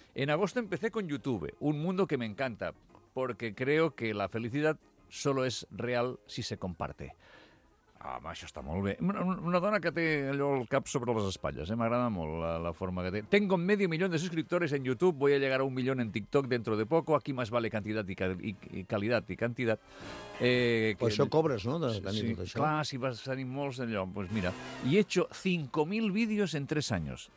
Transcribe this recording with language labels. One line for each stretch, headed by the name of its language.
Spanish: En agosto empecé con YouTube, un mundo que me encanta, porque creo que la felicidad solo es real si se comparte.
Catalan: Home, això està molt bé. Una dona que té allò el cap sobre les espatlles, m'agrada molt la forma que té.
Spanish: Tengo medio millón de suscriptores en YouTube, voy a llegar a 1 millón en TikTok dentro de poco, aquí más vale cantidad y calidad y cantidad.
Catalan: Pues això cobres, no?, de tenir tot això. Clar, si vas tenir molts d'allò, pues mira.
Spanish: Y he hecho 5.000 vídeos en 3 años.